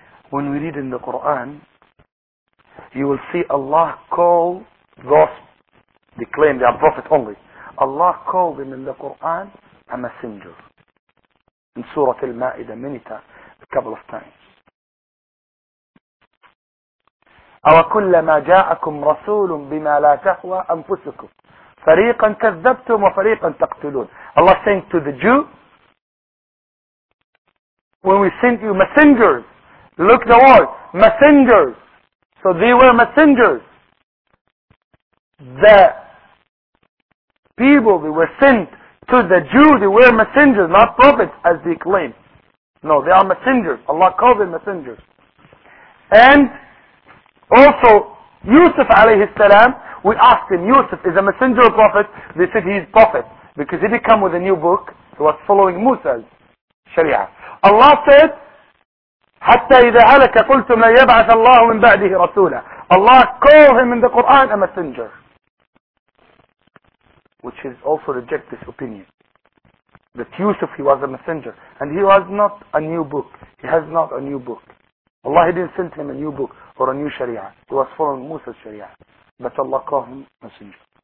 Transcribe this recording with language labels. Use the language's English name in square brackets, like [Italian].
[English] When we read in the Quran, you will see Allah call those, they claim they are prophet only. Allah called him in the Quran a messenger. In Surah Al-Ma'idah, many times, a couple of times. [Arabic] أوكلما جاءكم رسول بما لا تهوى أنفسكم فريقا كذبتم وفريقا تقتلون. [English] Allah saying to the Jew, when we sent you messengers, look the word, messengers. So they were messengers. The people they were sent to the Jews, they were messengers, not prophets as they claim. No, they are messengers. Allah called them messengers. And also Yusuf alayhi salam, we asked him, Yusuf is a messenger or prophet? They said he is prophet because he did come with a new book. He was following Musa's Sharia. Allah said, [Arabic] حَتَّى إِذَا هَلَكَ قُلْتُمْ لَا يَبْعَثَ اللَّهُ مِنْ بَعْدِهِ رَسُولًا. [English] Allah called him in the Quran a messenger, which is also reject this opinion that Yusuf, he was a messenger and he was not a new book. He has not a new book. Allah, he didn't send him a new book or a new Sharia. He was following Musa's Sharia, but Allah called him messenger.